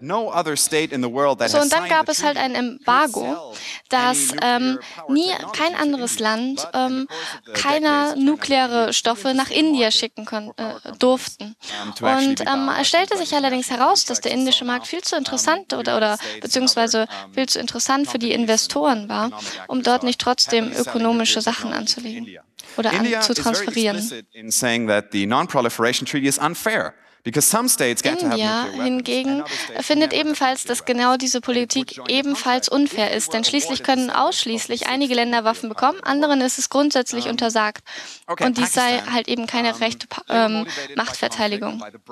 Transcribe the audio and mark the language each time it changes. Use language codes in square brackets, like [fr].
[de] So, und dann gab es halt ein Embargo, dass kein anderes Land keiner nukleare Stoffe nach India schicken durften. Und es stellte sich allerdings heraus, dass der indische Markt viel zu interessant oder beziehungsweise viel zu interessant für die Investoren war, um dort nicht trotzdem ökonomische Sachen anzulegen. Oder zu transferieren. [en] India is very explicit in saying that the Non-Proliferation Treaty is unfair, because some states get to have nuclear weapons. [de] India hingegen findet ebenfalls, dass genau diese Politik ebenfalls unfair ist, denn schließlich können ausschließlich einige Länder Waffen bekommen, anderen ist es grundsätzlich untersagt. Und dies sei halt eben keine rechte Machtverteidigung.